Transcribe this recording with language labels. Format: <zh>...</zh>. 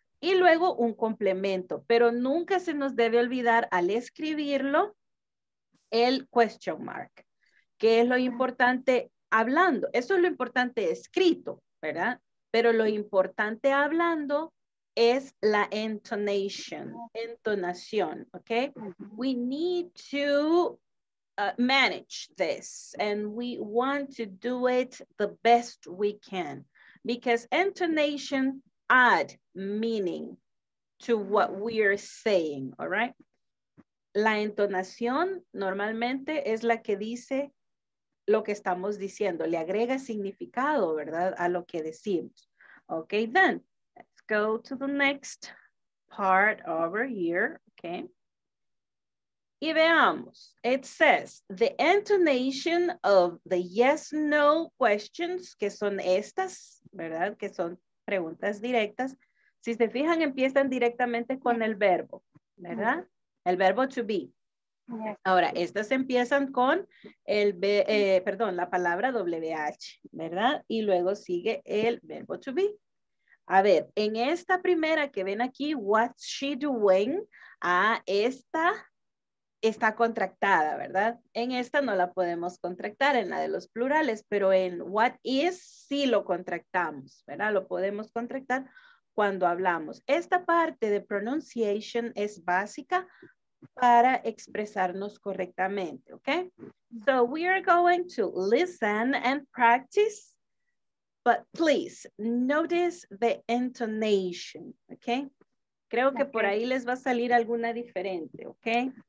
<es>Y luego un complemento, pero nunca se nos debe olvidar al escribirlo el question mark, que es lo importante hablando. Eso es lo importante escrito, ¿verdad? Pero lo importante hablando es la intonation, entonación, ¿ok?</es> <en>We need to manage this and we want to do it the best we can because intonation add meaning to what we are saying, all right?</en> <es>La entonación normalmente es la que dice lo que estamos diciendo, le agrega significado, ¿verdad? A lo que decimos.</es> <en>Okay, then, let's go to the next part over here, okay?</en> <es>Y veamos,</es> <en>it says, the intonation of the yes-no questions,</en> <es>que son estas, ¿verdad? Que son preguntas directas. Si se fijan, empiezan directamente con el verbo, ¿verdad? El verbo to be. Ahora, estas empiezan con el, la palabra WH, ¿verdad? Y luego sigue el verbo to be. A ver, en esta primera que ven aquí,</es> <en>what's she doing?</en> <es>Ah, esta está contractada, ¿verdad? En esta no la podemos contractar, en la de los plurales, pero en what is, sí lo contractamos, ¿verdad? Lo podemos contractar cuando hablamos. Esta parte de pronunciation es básica para expresarnos correctamente, ¿ok?</es> <en>So we are going to listen and practice. But please, notice the intonation, okay?</en> <es>Creo que por ahí les va a salir alguna diferente, okay?</es>